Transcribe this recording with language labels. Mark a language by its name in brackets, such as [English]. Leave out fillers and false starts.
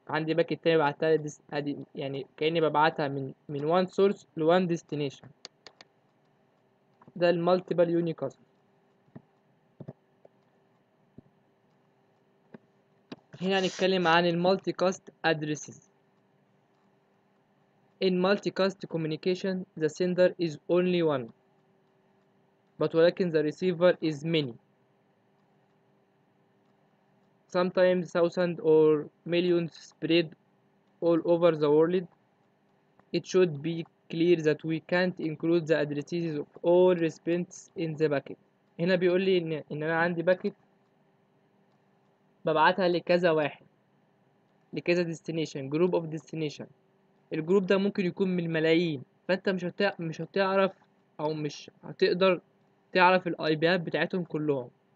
[Arabic] عندي باكيت تاني بعتها ادي، يعني كاني ببعتها من وان سورس لوان ديستنيشن. ده المالتيبل يوني كاست. هنا هنتكلم عن المالتي كاست ادريسز. [English] In multi cast communication the sender is only one but [Arabic] ولكن [English] the receiver is many sometimes thousands or millions spread all over the world. It should be clear that we can't include the addresses of all recipients in the bucket. [Arabic] هنا بيقول لي ان انا عندي باكيت ببعتها لكذا واحد، لكذا destination، [English] group of destination. [Arabic] الجروب ده ممكن يكون من ملايين، فانت مش هتعرف او مش هتقدر تعرف الاي بي ات بتاعتهم كلهم.